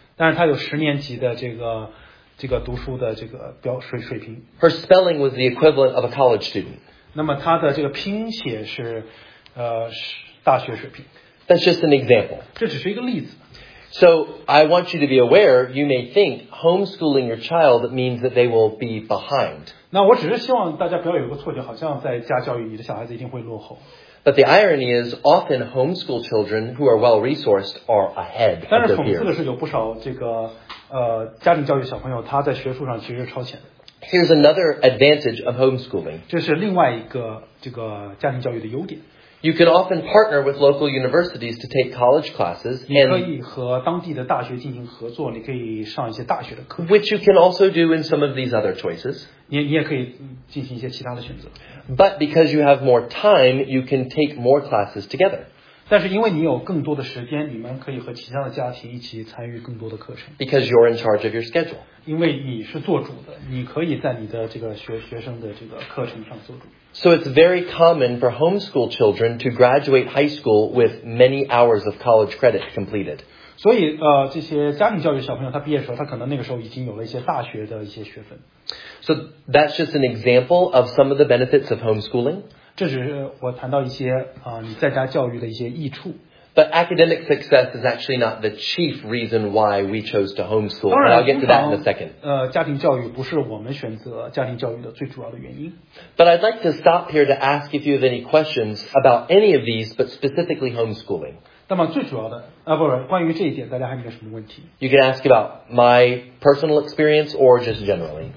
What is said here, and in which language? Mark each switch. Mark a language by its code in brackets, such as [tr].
[zh] 但是她有十年级的这个读书的这个水平。 [en] Her spelling was the equivalent of a college student. [zh] 那么她的这个拼写是大学水平。 [en] That's just an example. [zh] 这只是一个例子。 [en] So I want you to be aware, you may think homeschooling your child means that they will be behind. [zh] 那我只是希望大家不要有个错觉，好像在家教育你的小孩子一定会落后。 [en] But the irony is, often homeschool children who are well-resourced are ahead of their peers. [zh] 但是讽刺的是有不少这个家庭教育小朋友他在学术上其实超前。 [en] Here's another advantage of homeschooling. [zh] 这是另外一个这个家庭教育的优点。 [en] You can often partner with local universities to take college classes, and [zh] 你可以和当地的大学进行合作，你可以上一些大学的课。 [en] Which you can also do in some of these other choices. [zh] 你也可以进行一些其他的选择。 [en] But because you have more time, you can take more classes together. [zh] 但是因为你有更多的时间，你们可以和其他的家庭一起参与更多的课程。 [en] Because you're in charge of your schedule. [zh] 因为你是做主的，你可以在你的这个学生的这个课程上做主。 [en] So it's very common for homeschool children to graduate high school with many hours of college credit completed. [zh] 所以这些家庭教育小朋友他毕业的时候，他可能那个时候已经有了一些大学的一些学分。 [en] So that's just an example of some of the benefits of homeschooling. [zh] 这只是我谈到一些你在家教育的一些益处。 [en] But academic success is actually not the chief reason why we chose to homeschool. And I'll get to that in a second. [zh] 家庭教育不是我们选择家庭教育的最主要的原因。 [en] But I'd like to stop here to ask if you have any questions about any of these, but specifically homeschooling. [zh] 那么最主要的，不是，关于这一点，大家还有没有什么问题？ [en] You can ask about my personal experience or just generally.